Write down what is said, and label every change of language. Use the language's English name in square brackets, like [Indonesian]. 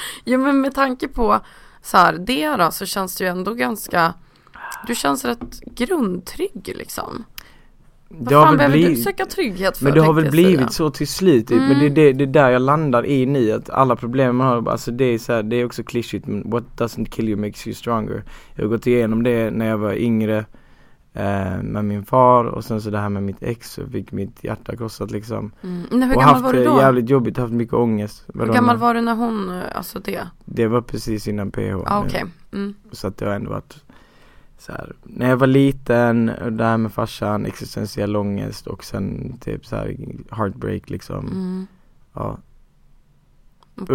[Swedish] Ja, men med tanke på så här det då, så känns det ju ändå ganska, du känns rätt grundtrygg liksom. Vad fan behöver du söka trygghet för? Men det har väl blivit så till slut. Typ. Men det är där jag landar i nu. Att alla problem man har, alltså det är så här, det är också klischigt. [English] Men what doesn't kill you makes you stronger. [Swedish] Jag har gått igenom det när jag var yngre med min far. Och sen så det här med mitt ex. Och fick mitt hjärta krossat liksom. Men hur gammal var du då? Och jävligt jobbigt, haft mycket ångest. Hur gammal var du när hon, alltså det? Det var precis innan PH. Ah, okay. Så att det har ändå varit så här, när jag var liten, och det här med farsan, existentiell ångest, och sen typ så här heartbreak liksom. Ja. Okay.